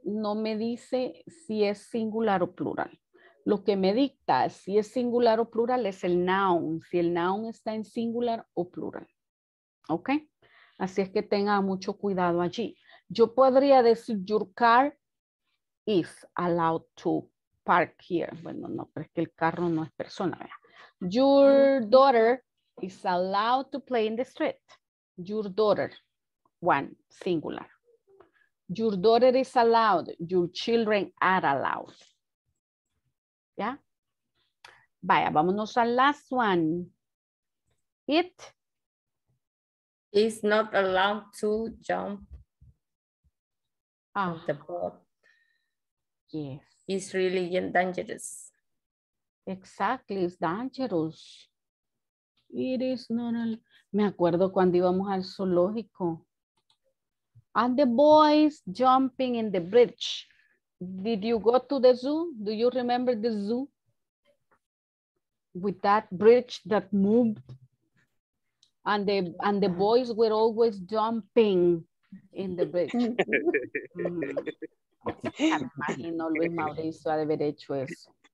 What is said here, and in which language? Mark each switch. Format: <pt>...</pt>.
<es>No me dice si es singular o plural. Lo que me dicta si es singular o plural es el noun, si el noun está en singular o plural. ¿Ok? Así es que tenga mucho cuidado allí. Yo podría decir</es> <en>your car is allowed to park here.</en> <es>Bueno, no, pero es que el carro no es persona. ¿Verdad?</es> <en>Your daughter is allowed to play in the street. Your daughter, one, singular. Your daughter is allowed. Your children are allowed. ¿Ya?</en> <es>Vaya, vámonos al</es> <en>last one.</en> <es>It</es> <en>is not allowed to jump on the boat. Yes. It's really dangerous. Exactly, it's dangerous. It is not allowed.</en> <es>Me acuerdo cuando íbamos al zoológico.</es> <en>And the boys jumping in the bridge. Did you go to the zoo? Do you remember the zoo? With that bridge that moved. And the boys were always jumping in the bridge.</en> <es>Imagino Luis Mauricio ha de haber hecho eso.</es>